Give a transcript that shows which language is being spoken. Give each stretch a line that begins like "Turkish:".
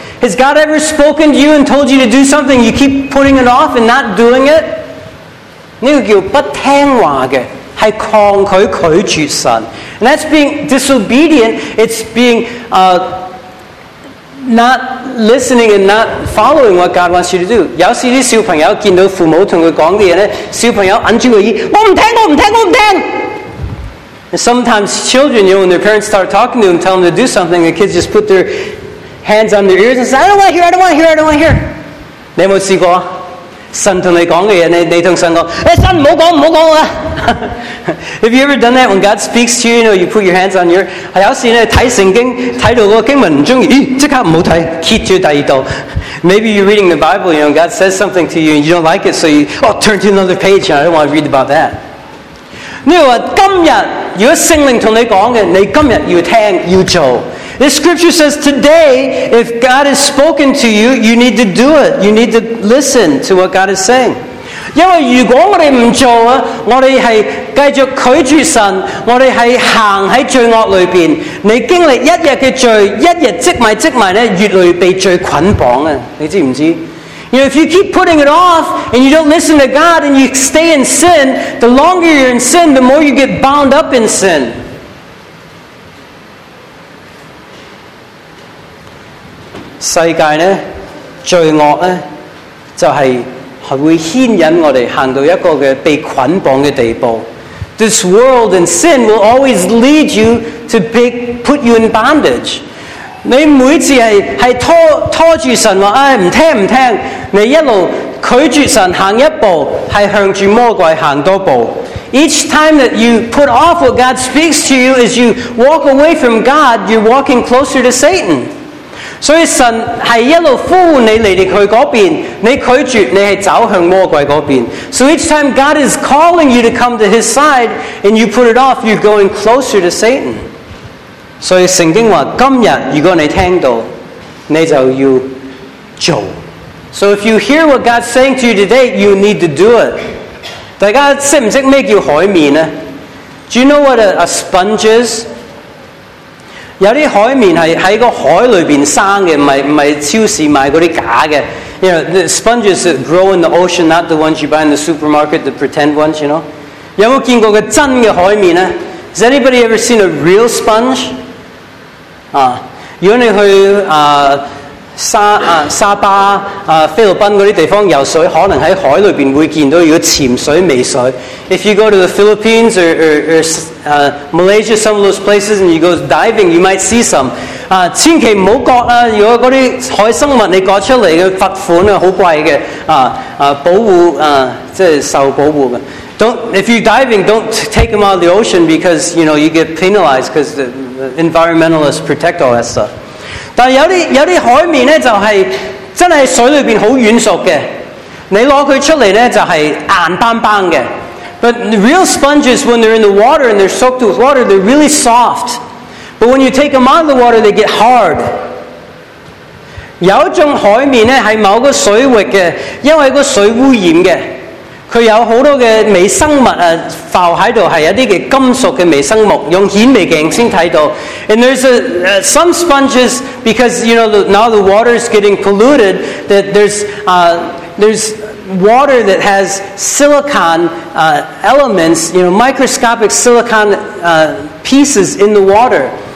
English: Has God ever spoken to you and told you to do something, you keep putting it off and not doing it?
Cantonese: 这个叫不听话的，是抗拒拒绝神。
English: And that's being disobedient, it's being not listening and not following what God wants you to do.
Cantonese: 有时啲小朋友见到父母同佢讲啲嘢咧，小朋友揞住个耳，我唔听，我唔听，我唔听。
English: And sometimes children, you know, when their parents start talking to them, tell them to do something, the kids just put their hands on their ears and say, "I don't want to hear, I don't want to hear, I don't want to hear."
Cantonese: 你有冇试过？神同你讲嘅嘢，你同神讲，诶，神唔好讲，唔好讲啦。
English: Have you ever done that when God speaks to you? You know, you put your hands on your.
Cantonese: 有时咧睇圣经，睇到个经文唔中意，即刻唔好睇，揭住第二度。
English: Maybe you're reading the Bible, you know, God says something to you and you don't like it, so you turn to another page. I don't want to read about that.
Cantonese: 你话今日如果圣灵同你讲嘅，你今日要听要做。
English: This scripture says today, if God has spoken to you, you need to do it. You need to listen to what God is saying.
Cantonese: 因为如果我们不做，我们是继续拒绝神，我们是行在罪恶里面，你经历一日的罪，一日积埋积埋，越来越被罪捆绑，你知不知道？
English: You know, if you keep putting it off, and you don't listen to God, and you stay in sin, the longer you're in sin, the more you get bound up in sin.
Cantonese: 世界呢，罪恶呢，就是会牵引我们行到一个的被捆绑的地步。
English: This world and sin will always lead you to put you in bondage.
Cantonese: 你每次是拖住神说，哎，不听不听，你一路拒绝神行一步，是向着魔鬼行多步。
English: Each time that you put off what God speaks to you as you walk away from God, you're walking closer to Satan.
Cantonese: 所以神是一路呼唤你来到他那边，你拒绝，你是走向魔鬼那边。
English: So each time God is calling you to come to his side and you put it off, you're going closer to Satan.
Cantonese: 所以圣经说，今日如果你听到，你就要做。
English: So if you hear what God's saying to you today, you need to do it.
Cantonese: 大家识不识什么叫海绵呢？
English: Do you know what a sponge is?
Cantonese: 有些海绵是在个海里面生的，不是超市买那些假的。
English: You know, the sponges that grow in the ocean, not the ones you buy in the supermarket, the pretend ones, you know.
Cantonese: 有没有见过个真的海绵呢？
English: Has anybody ever seen a real sponge?
Cantonese: 如果你去沙巴、菲律宾那些地方游水，可能在海里面会见到有潜水、微水。
English: If you go to the Philippines or Malaysia, some of those places, and you go diving, you might see some.
Cantonese: 千万不要割，如果那些海生物你割出来的罚款很贵的，保护，即是受保护的。
English: If you're diving, don't take them out of the ocean because you know, you get penalized because the environmentalists protect all that stuff.
Cantonese: 但有啲海绵咧，就系真系水里边好软熟嘅，你攞佢出嚟咧就系硬邦邦嘅。
English: But the real sponges, when they're in the water and they're soaked with water, they're really soft. But when you take them out of the water, they get hard.
Cantonese: 有一種海綿是某個水域的，因為水污染的，它有很多的微生物浮在那裡，是一些金屬的微生物，用顯微鏡才看到。
English: And there's some sponges, because you know now the water is getting polluted, that there's water that has silicon elements, you know, microscopic silicon pieces in the water.